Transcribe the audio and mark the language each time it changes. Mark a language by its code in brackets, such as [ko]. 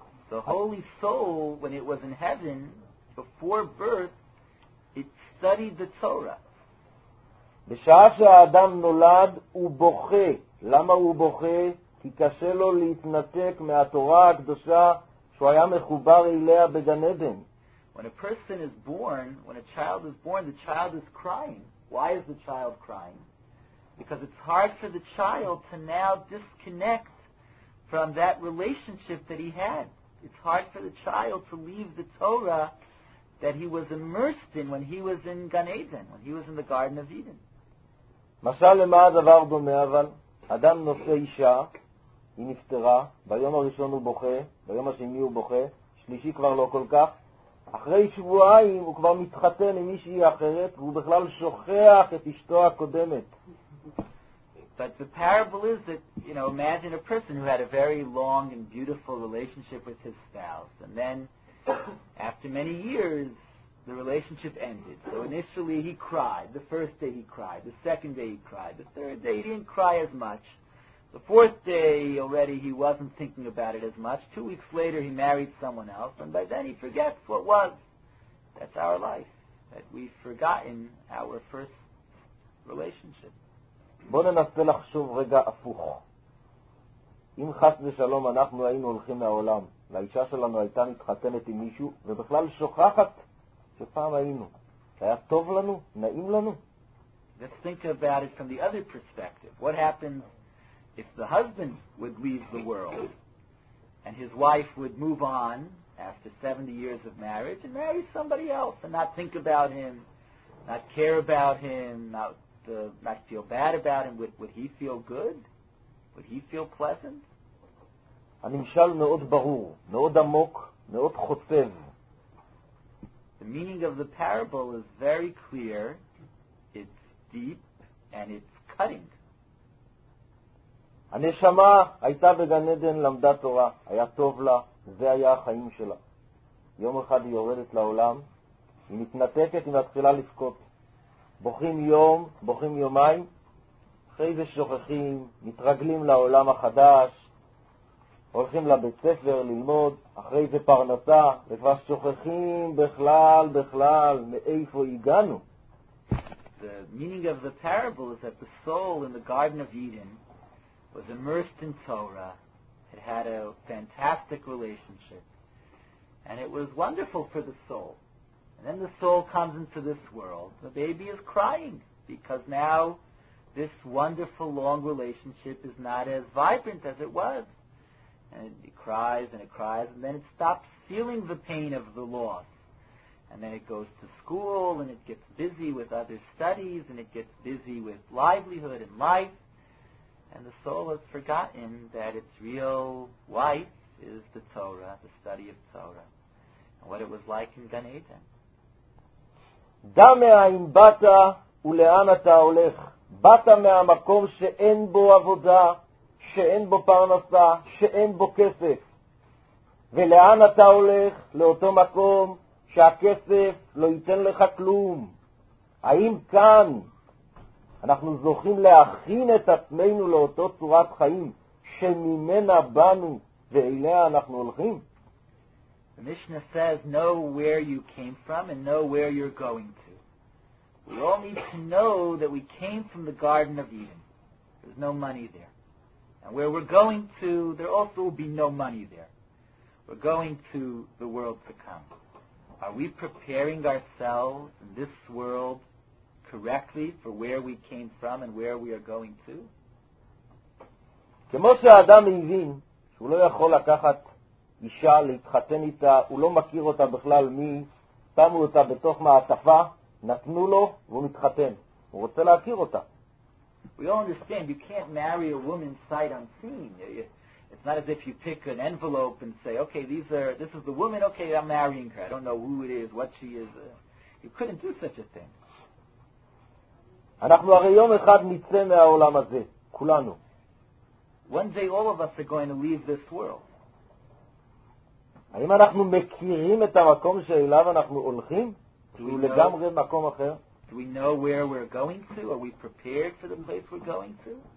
[en] The holy soul, when it was in heaven, before birth, it studied the Torah. [he] בשעה שהאדם נולד, הוא בוכה. למה הוא בוכה? כי קשה לו להתנתק מהתורה הקדושה שהוא היה מחובר אליה בגן עדן. [en] When a person is born, when a child is born, the child is crying. Why is the child crying? Because it's hard for the child to now disconnect from that relationship that he had. It's hard for the child to leave the Torah that he was immersed in when he was in Gan Eden, when he was in the Garden of Eden. [he] משל למה הדבר דומה אבל? אדם נושא אישה, היא נפטרה, ביום הראשון הוא בוכה, ביום השני הוא בוכה, שלישי כבר לא כל כך. אחרי שבועיים הוא כבר מתחתן עם מישהי אחרת, והוא בכלל שוכח את אשתו הקודמת. [en] But the parable is that, you know, imagine a person who had a very long and beautiful relationship with his spouse. And then, after many years, the relationship ended. So initially he cried. The first day he cried. The second day he cried. The third day he didn't cry as much. The fourth day already he wasn't thinking about it as much. 2 weeks later he married someone else. And by then he forgets what was. That's our life. That we've forgotten our first relationship. [he] בוא ננסה לחשוב רגע הפוך. אם חס ושלום אנחנו היינו הולכים מהעולם, לאישה שלנו הייתה מתחתנת עם מישהו, ובכלל שוכחת שפעם היינו. היה טוב לנו? נעים לנו? [en] Let's think about it from the other perspective. What happens if the husband would leave the world, and his wife would move on after 70 years of marriage, and marry somebody else, and not think about him, not care about him, not feel bad about him, would he feel good? Would he feel pleasant? [he] הנמשל מאוד ברור, מאוד עמוק, מאוד חוטב. [en] The meaning of the parable is very clear, it's deep, and it's cutting. [he] הנשמה הייתה בגן עדן, למדה תורה, היה טוב לה, זה היה החיים שלה. יום אחד היא יורדת לעולם, היא מתנתקת, היא מתחילה לזכות. בוכים יום, בוכים יומיים, אחרי זה שוכחים, מתרגלים לעולם החדש, הולכים לבית ספר ללמוד, אחרי זה פרנסה, וכבר שוכחים בכלל, בכלל, מאיפה הגענו. [en] The meaning of the parable is that the soul in the Garden of Eden was immersed in Torah, it had a fantastic relationship, and it was wonderful for the soul. And then the soul comes into this world. The baby is crying because now this wonderful long relationship is not as vibrant as it was. And it cries and it cries, and then it stops feeling the pain of the loss. And then it goes to school and it gets busy with other studies and it gets busy with livelihood and life. And the soul has forgotten that its real wife is the Torah, the study of Torah, and what it was like in Gan Eden. [he] דע מאין באת ולאן אתה הולך. באת מהמקום שאין בו עבודה, שאין בו פרנסה, שאין בו כסף. ולאן אתה הולך? לאותו מקום שהכסף לא ייתן לך כלום. האם כאן אנחנו זוכים להכין את עצמנו לאותו צורת חיים שממנה באנו ואליה אנחנו הולכים? [en] The Mishnah says, know where you came from and know where you're going to. We all need to know that we came from the Garden of Eden. There's no money there. And where we're going to, there also will be no money there. We're going to the world to come. Are we preparing ourselves in this world correctly for where we came from and where we are going to? [he] כמו שהאדם הבין שהוא לא יכול לקחת אישה, להתחתן איתה, הוא לא מכיר אותה בכלל מי, שמו אותה בתוך מעטפה, נתנו לו והוא מתחתן. הוא רוצה להכיר אותה. [en] We all understand, you can't marry a woman sight unseen. It's not as if you pick an envelope and say, okay, this is the woman, okay, I'm marrying her. I don't know who it is, what she is. You couldn't do such a thing. [he] אנחנו הרי יום אחד נצא מהעולם הזה, כולנו. [en] One day all of us are going to leave this world. [he] האם אנחנו מכירים את המקום שאליו אנחנו הולכים? שהוא לגמרי מקום אחר? [en] Do we know where we're going to? Are we prepared for the place we're going to?